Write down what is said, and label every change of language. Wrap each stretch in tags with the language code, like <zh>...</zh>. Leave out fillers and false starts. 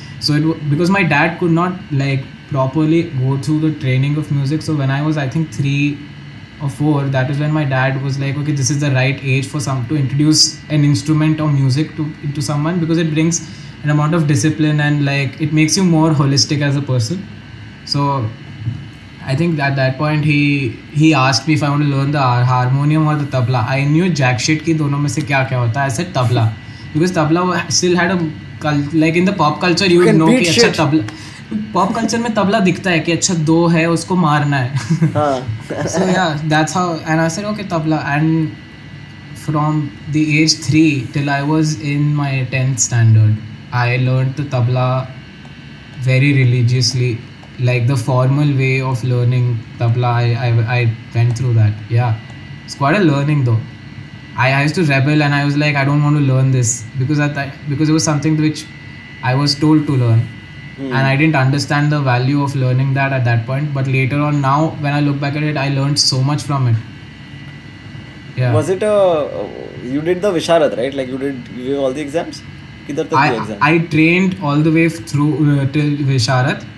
<en>So it, because my dad could not like properly go through the training of music, so when I was, I think, 3 or 4, that is when my dad was like, okay, this is the right age for some to introduce an instrument or music into someone, because it brings an amount of discipline and like it makes you more holistic as a person. So I think at that point he asked me if I want to learn the harmonium or the tabla. I knew jack shit</en> <hi>ki dono mein se kya kya hota.</hi> <en>I said tabla, because tabla still had a like in the pop culture you would know</en> <hi>ki acha tabla. Pop culture में तबला दिखता है कि अच्छा दो है उसको मारना है.</hi> <en>So yeah that's how and I said okay tabla. And from the age 3 till I was in my 10th standard I learned the tabla very religiously, like the formal way of learning tabla. I went through that. Yeah it's quite a learning though. I used to rebel and I was like I don't want to learn this because it was something which I was told to learn. Mm. And I didn't understand the value of learning that at that point. But later on, now when I look back at it, I learned so much from it. Yeah. Was it you did the Visharad, right? Like you gave all the exams? I trained all the way through till Visharad.</en>